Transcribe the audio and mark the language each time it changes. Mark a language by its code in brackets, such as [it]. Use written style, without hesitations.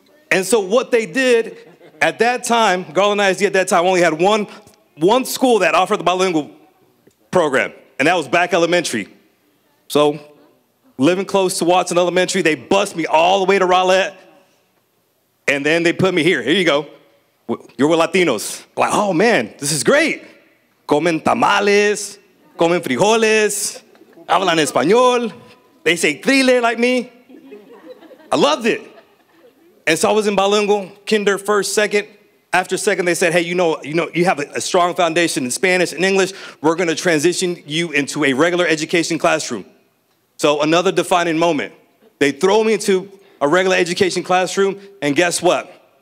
[en] And so what they did at that time, Garland ISD at that time only had one school that offered the bilingual program, and that was Back Elementary. So living close to Watson Elementary, they bussed me all the way to Rowlett, and then they put me here. Here you go. You're with Latinos. Like, oh, man, this is great. [es] Comen tamales, comen frijoles, hablan español. [en] They say trile like me. I loved it. And so I was in bilingual, kinder, first, second. After second, they said, hey, you know, you have a strong foundation in Spanish and English. We're going to transition you into a regular education classroom. So another defining moment. They throw me into a regular education classroom, and guess what?